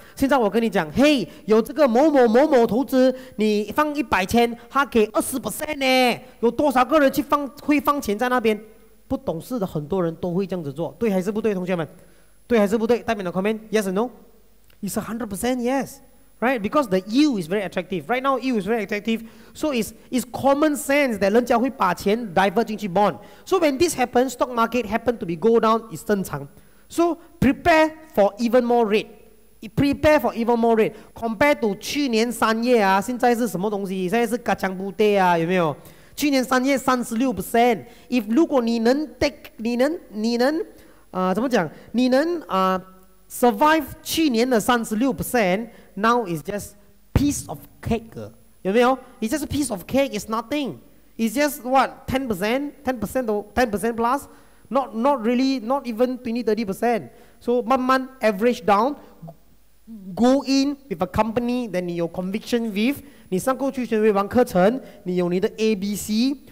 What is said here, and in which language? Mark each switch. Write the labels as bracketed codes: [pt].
[zh] 现在我跟你讲，嘿，有这个某某投资，你放100,000，他给 20% 呢，有多少个人去放会放钱在那边？不懂事的很多人都会这样子做，对还是不对，同学们？对还是不对？代表的 [en] comment yes or no？ It's 100% yes， right？ Because the EU is very attractive right now. EU is very attractive. So it's common sense that [zh] 人家会把钱 [en] divert [zh] 进去 [en] bond. So when this happens, stock market happen to be go down, it's [zh] 正常。 [en] So prepare for even more rate. Prepare for even more rate. [zh] Compared to 去年三月啊，现在是什么东西？现在是嘎枪布袋啊，有没有？去年三月36%。 [en] If [zh] 如果你能 [en] take， [zh] 你能怎么讲？你能 [en] survive [zh] 去年的 [en] 36%， now is just piece of cake。 [zh] 有没有？ [en] It's just a piece of cake. It's nothing. It's just what 10% plus. Not really. Not even 20-30%. So [zh] 慢慢 [en] average down. Go in with a company that [zh] 你有 [en] conviction with. [zh] 你上过去权威王课程，你有你的 A B C.